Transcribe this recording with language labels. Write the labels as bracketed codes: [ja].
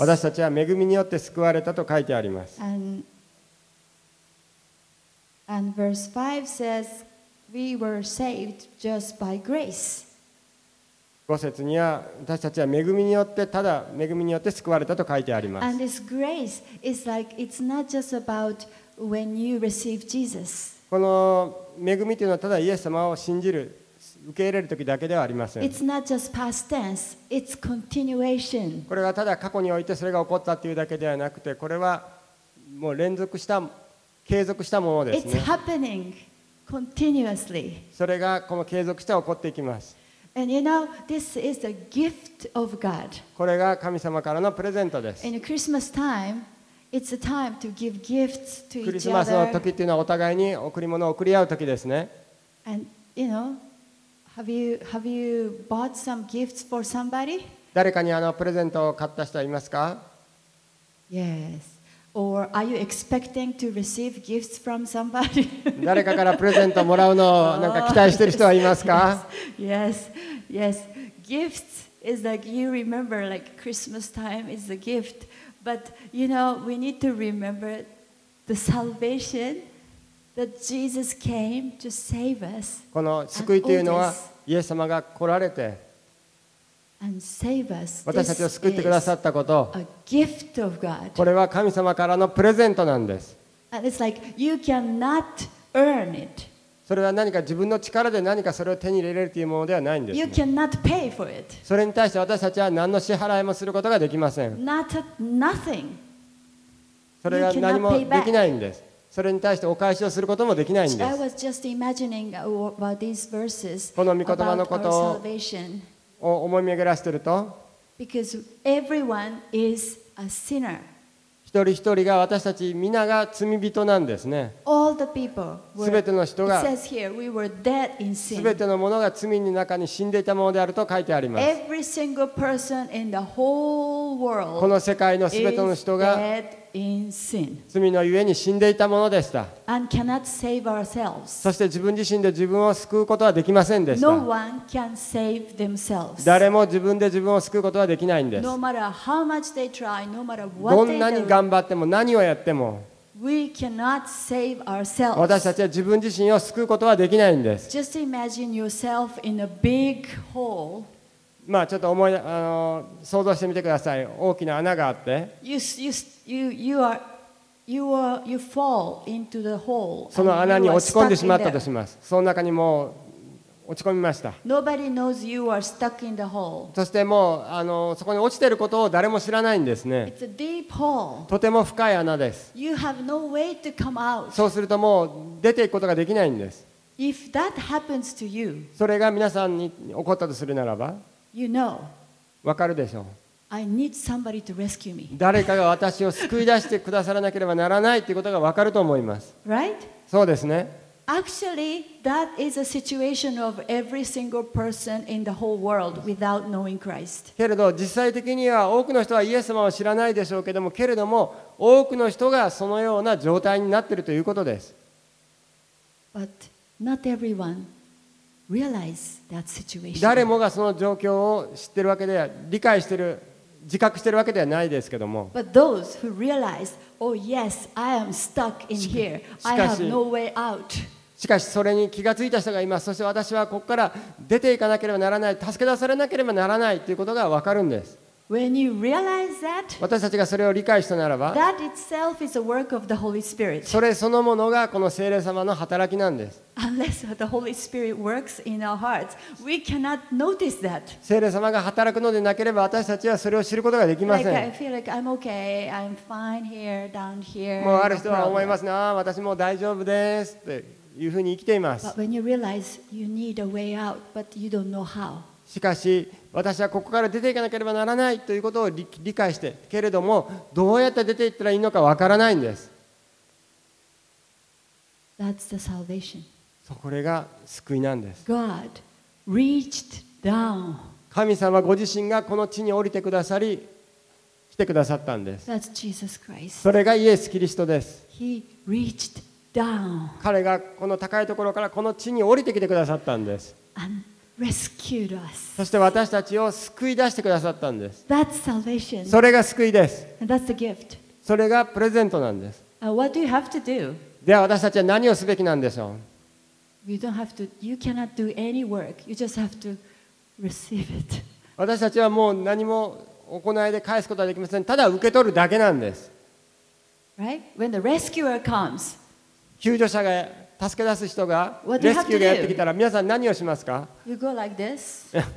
[ja] 私たちは恵みによって救われたと書いてあります。 [en] and verse 5 says we were saved just by grace. [ja] 5節には私たちは恵みによってただ恵みによって救われたと書いてあります。 [en] and this grace is like it's not just about when you receive Jesus. [ja] この恵みというのはただイエス様を信じる受け入れる時だけではありません。 [en] It's not just past tense, it's continuation. [ja] これはただ過去においてそれが起こったというだけではなくて、これはもう連続した継続したものですね。 [en] It's happening continuously. [ja] それがこの継続して起こっていきます。 [en] And you know, this is a gift of God. [ja] これが神様からのプレゼントです。 [en] In Christmas time, it's a time to give gifts to each other. [ja] クリスマスの時というのはお互いに贈り物を贈り合う時ですね。 [en] And you knowHave you bought some gifts for somebody? [ja] 誰かにあのプレゼントを買った人いますか? [en] Yes. Or are you expecting to receive gifts from somebody? [ja] 誰かからプレゼントもらうのをなんか期待してる人はいますか? [en] Yes. Gifts is like you remember like Christmas time is a gift. But you know, we need to remember the salvation. That Jesus came to save us. [ja] この救いというのはイエス様が来られて私たちを救ってくださったこと、これは神様からのプレゼントなんです。 [en] And it's like you cannot earn it. [ja] それは何か自分の力で何かそれを手に入れるというものではないんです、ね、 [en] you cannot pay for it. [ja] それに対して私たちは何の支払いもすることができません。 [en] not a, nothing. [ja] それが何もできないんです。それに対してお返しをすることもできないんです。 [en] so I was just imagining about these verses, [ja] この御言葉のことを思い巡らしていると、 [en] because everyone is a sinner. [ja] 一人一人が私たち皆が罪人なんですね。 [en] All the people were, [ja] 全ての人が [en] it says here, we were dead in sin. [ja] 全てのものが罪の中に死んでいたものであると書いてあります。 [en] Every single person in the whole world [ja] この世界の全ての人が罪のゆえに死んでいたものでした。 [en] and cannot save ourselves. [ja] そして自分自身で自分を救うことはできませんでした。 [en] no one can save themselves. [ja] 誰も自分で自分を救うことはできないんです。 [en] no matter how much they try, no matter what they do, [ja] どんなに頑張っても何をやっても [en] we cannot save ourselves. [ja] 私たちは自分自身を救うことはできないんです。 [en] just imagine yourself in a big hole. [ja] まあ、ちょっと思い想像してみてください。大きな穴があって [en] you fall into the hole, [ja] その穴に落ち込んでしまったとします。その中にもう落ち込みました。 [en] Nobody knows you are stuck in the hole. [ja] そしてもうそこに落ちていることを誰も知らないんですね。 [en] It's a deep hole. [ja] とても深い穴です。 [en] you have no way to come out. [ja] そうするともう出ていくことができないんです。 [en] If that happens to you, [ja] それが皆さんに起こったとするならば [en] You know, [ja] 分かるでしょう。 [en] I need somebody to rescue me. [ja] 誰かが私を救い出してくださらなければならないということが分かると思います。 [en] Right? [ja] そうですね。 [en] Actually, that is a situation of every single person in the whole world without knowing Christ. [ja] けれど、実際的には多くの人はイエス様を知らないでしょうけれども、けれども多くの人がそのような状態になっているということです。 [en] But not everyone. Realize that situation. [ja] 誰もがその状況を知ってるわけでは、理解してる、自覚してるわけではないですけども。 [en] But those who realize, oh yes, I am stuck in here. I have no way out. [ja] しかしそれに気がついた人がいます。そして私はここから出ていかなければならない、助け出されなければならないということがわかるんです。 [en] When you realize that, [ja] 私たちがそれを理解したならば、 [en] that itself is a work of the Holy Spirit. [ja] それそのものがこの聖霊様の働きなんです。 [en] Unless the Holy Spirit works in our hearts, we cannot notice that. [ja] 聖霊様が働くのでなければ私たちはそれを知ることができません。 [en] Like, I feel like I'm okay, I'm fine here, down here. [ja] もうある人は思いますね、ああ、私もう大丈夫ですっていうふうに生きています。 [en] But when you realize you need a way out, but you don't know how. [ja] しかし私はここから出ていかなければならないということを理解してけれどもどうやって出ていったらいいのかわからないんです。 [en] That's the salvation. [ja] これが救いなんです。 [en] God reached down. [ja] 神様ご自身がこの地に降りてくださり来てくださったんです。 [en] That's Jesus Christ. [ja] それがイエス・キリストです。 [en] He reached down. [ja] 彼がこの高いところからこの地に降りてきてくださったんです。 [en] AndRescued us. [ja] そして私たちを救い出してくださったんです。 [en] That's salvation. [ja] それが救いです。 [en] And that's the gift. [ja] それがプレゼントなんです。 [en] What do you have to do? [ja] では私たちは何をすべきなんでしょう。 [en] You don't have to, you cannot do any work. You just have to receive it. [ja] 私たちはもう何も行いで返すことはできません。ただ受け取るだけなんです。 [en] Right? When the rescuer comes, [ja] 救助者が助け出す人がレスキューがやってきたら皆さん何をしますか。 [en] You go like this.